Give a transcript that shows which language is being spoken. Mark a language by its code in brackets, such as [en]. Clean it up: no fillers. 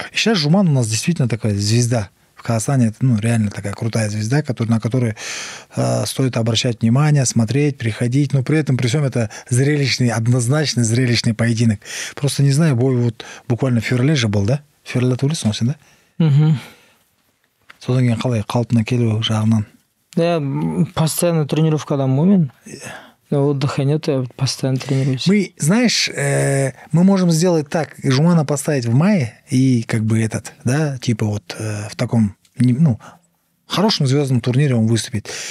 [ru] И сейчас Жуман у нас действительно такая звезда. В Казахстане это, ну, реально такая крутая звезда, на которую стоит обращать внимание, смотреть, приходить. Но при этом, при всем, это зрелищный, однозначно зрелищный поединок. Просто не знаю, бой вот буквально в феврале же был, да? В феврале ты улеснулся, да? Угу. [kk] Содан кейін қалай қалпына келу жағынан? [ru] Да, постоянно тренировкадан момент. Но отдыха нет, я постоянно тренируюсь. Мы, знаешь, мы можем сделать так, Жумана поставить в мае, и как бы этот, да, типа вот в таком, ну, хорошем звездном турнире он выступит.